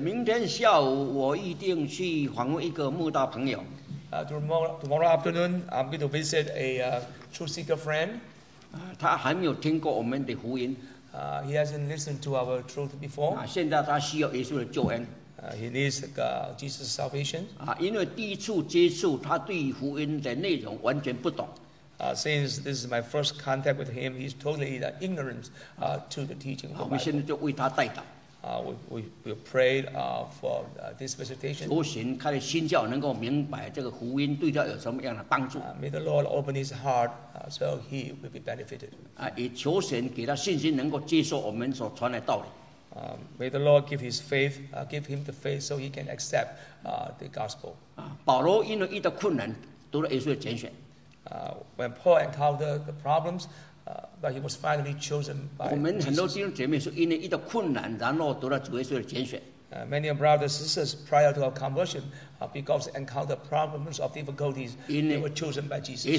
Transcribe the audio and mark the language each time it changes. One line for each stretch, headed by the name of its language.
Chinese: 明天下午我一定去访问一个慕道朋友。
English: Tomorrow afternoon, I'm going to visit a truth seeker friend.
Chinese: 他还没有听过我们的福音。
English: He hasn't listened to our truth before.
Chinese: 现在他需要耶稣的救恩。
English: He needs Jesus' salvation.
Chinese: 因为第一次接触，他对福音的内容完全不懂。
English: Since this is my first contact with him, he's totally ignorant to the teaching of the Bible.
Chinese: 我们现在就为他代祷。
English: We pray for this visitation.
Chinese: 求神开的心窍能够明白这个福音对他有什么样的帮助。
English: May the Lord open his heart so he will be benefited.
Chinese: 也求神给他信心能够接受我们所传来的道理。
English: May the Lord give his faith, give him the faith so he can accept the gospel.
Chinese: 保罗因为遇到困难，读了耶稣的拣选。
English: When Paul encountered the problems,but he was finally chosen by Jesus.
Chinese: 我们很多弟兄姐妹是因为遇到困难，然后得到主耶稣的拣选。
English: Many of brothers and sisters prior to our conversion, because they encountered problems or difficulties, they were chosen by Jesus.